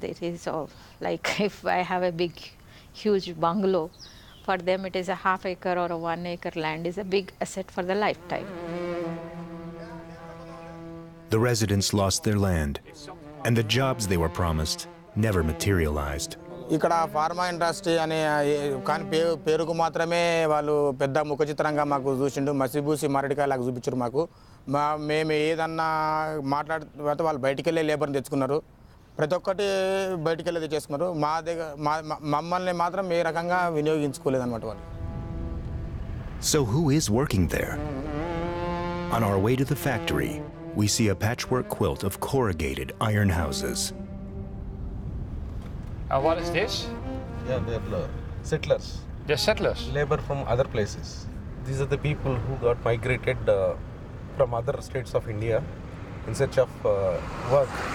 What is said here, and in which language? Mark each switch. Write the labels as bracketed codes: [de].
[en] It is of, like if I have a big, huge bungalow, for them it is a half acre or a 1 acre land is a big asset for the lifetime. the residents lost their land, and the jobs they were promised never materialized. [te] ఇక్కడ pharma industry అనే కానీ పేరుకు మాత్రమే వాళ్ళు పెద్ద ముఖచిత్రంగా మాకు చూసిండు, మసిబూసి మారడికాయ లాగా చూపించారు మాకు. మా మేము ఏదన్నా మాట్లాడిన తర్వాత వాళ్ళు బయటికి వెళ్ళే లేబర్ని తెచ్చుకున్నారు, ప్రతి ఒక్కటి బయటికి వెళ్ళేది చేసుకున్నారు. మా దగ్గర మమ్మల్ని మాత్రం ఏ రకంగా వినియోగించుకోలేదు అన్నమాట వాళ్ళు. [en] So who is working there? On our way to the factory, we see a patchwork quilt of corrugated iron houses. What is this? Yeah, they're settlers. They're settlers? Labor from other places. These are the people who got migrated from other states of India in search of work.